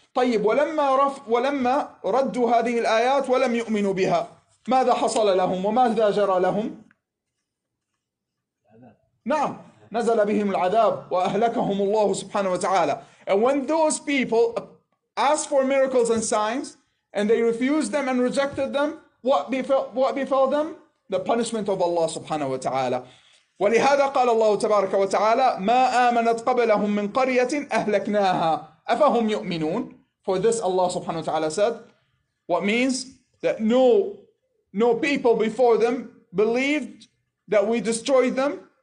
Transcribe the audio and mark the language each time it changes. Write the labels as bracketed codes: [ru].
[ar] طيب ولما ردوا هذه الآيات ولم يؤمنوا بها, ماذا حصل لهم وماذا جرى لهم؟ نعم, نزل بهم العذاب وأهلكهم الله سبحانه وتعالى. [en] And when those people asked for miracles and signs and they refused them and rejected them, what befell them? The punishment of Allah [ar] سبحانه وتعالى. ولهذا قال الله تبارك وتعالى ما آمنت قبلهم من قرية أهلكناها أفهم يؤمنون. [en] For this Allah subhanahu wa ta'ala said, what means that no people before them believed that we destroyed them.